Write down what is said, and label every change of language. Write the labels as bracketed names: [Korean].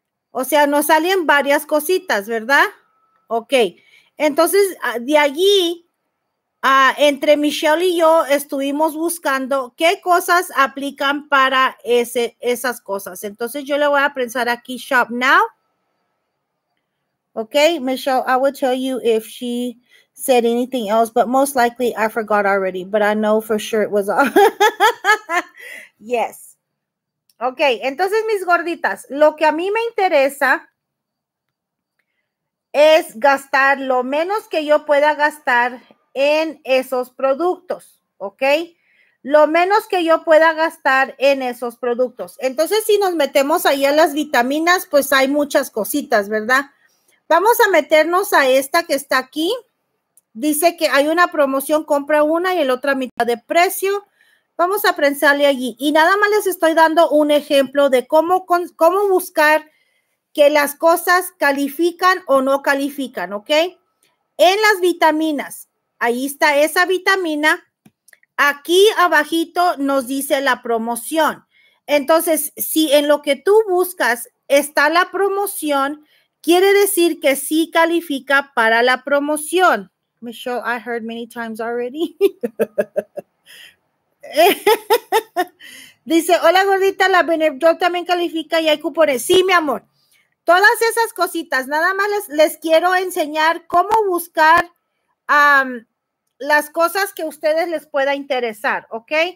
[Spanish] O sea, nos salen varias cositas, ¿verdad? Ok. Entonces, de allí, entre Michelle y yo estuvimos buscando qué cosas aplican para esas cosas. Entonces, yo le voy a pensar aquí, [English] shop now. Okay, Michelle, I will tell you if she said anything else, but most likely I forgot already, but I know for sure it was all. Yes. [Spanish] Okay, entonces, mis gorditas, lo que a mí me interesa es gastar lo menos que yo pueda gastar en esos productos, ¿ok? Lo menos que yo pueda gastar en esos productos. Entonces, si nos metemos ahí a las vitaminas, pues hay muchas cositas, ¿verdad? Vamos a meternos a esta que está aquí. Dice que hay una promoción, compra una y el otra mitad de precio. Vamos a pensarle allí. Y nada más les estoy dando un ejemplo de cómo buscar que las cosas califican o no califican, ¿ok? En las vitaminas, ahí está esa vitamina. Aquí abajito nos dice la promoción. Entonces, si en lo que tú buscas está la promoción, quiere decir que sí califica para la promoción. [English] Michelle, I heard many times already. [Spanish] Dice, hola gordita, la Benedict también califica y hay cupones. Sí, mi amor. Todas esas cositas, nada más les quiero enseñar cómo buscar las cosas que a ustedes les pueda interesar, ¿ok?